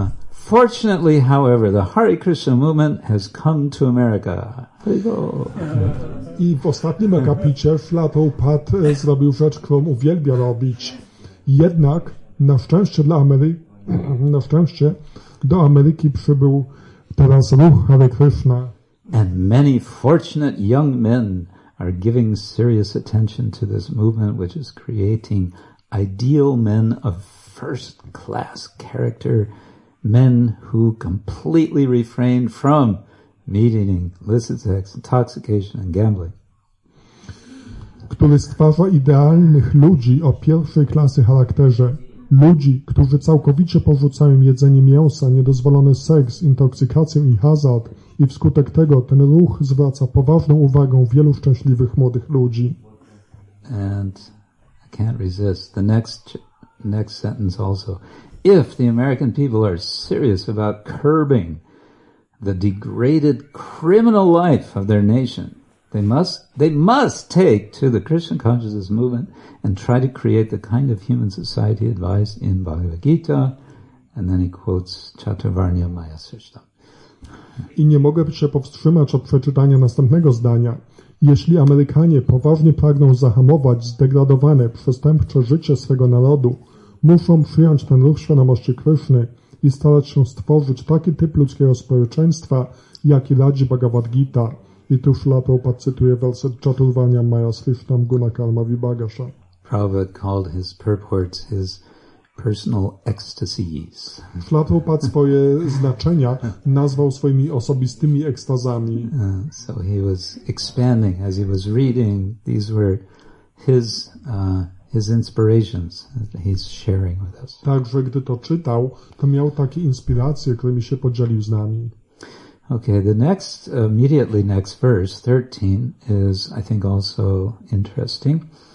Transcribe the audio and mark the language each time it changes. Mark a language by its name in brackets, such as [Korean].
[English] Fortunately, however, the Hare Krishna movement has come to America. [Polish] I w ostatnim akapicie Flatopad zrobił rzecz, którą uwielbia robić. Jednak, na szczęście dla Ameryki, na szczęście, do Ameryki przybył teraz ruch Hare Krishna. [English] And many fortunate young men are giving serious attention to this movement, which is creating ideal men of first-class character, men who completely refrain from meat eating, illicit sex, intoxication, and gambling. [Polish] Który stwarza idealnych ludzi o pierwszej klasy charakterze. Ludzi, którzy całkowicie porzucają jedzenie mięsa, niedozwolony seks, intoksykację i hazard. I wskutek tego ten ruch zwraca poważną uwagę wielu szczęśliwych młodych ludzi. [English] And I can't resist. The next sentence also. If the American people are serious about curbing the degraded criminal life of their nation, they must take to the Christian consciousness movement and try to create the kind of human society advised in Bhagavad Gita. And then he quotes [Sanskrit] Chaturvarnya Maya Srishtam. [Polish] I nie mogę się powstrzymać od przeczytania następnego zdania. Jeśli Amerykanie poważnie pragną zahamować zdegradowane, przestępcze życie swego narodu, muszą przyjąć ten ruch świadomości Kryszny i starać się stworzyć taki typ ludzkiego społeczeństwa, jaki radzi Bhagavad Gita. I tu Śrila Prabhupada cytuje werset [Sanskrit] Chaturvarnya Maya Srishtam Guna Karma Vibhagasha. [English] Prabhupada called his purports his personal ecstasies. [Polish] Śrila Prabhupada swoje znaczenia nazwał swoimi osobistymi ekstazami. [English] So he was expanding as he was reading. These were his inspirations that he's sharing with us. [Polish] Także gdy to czytał, to miał takie inspiracje, którymi się podzielił z nami. [English] Okay, the next, immediately next verse, 13, is, I think, also interesting.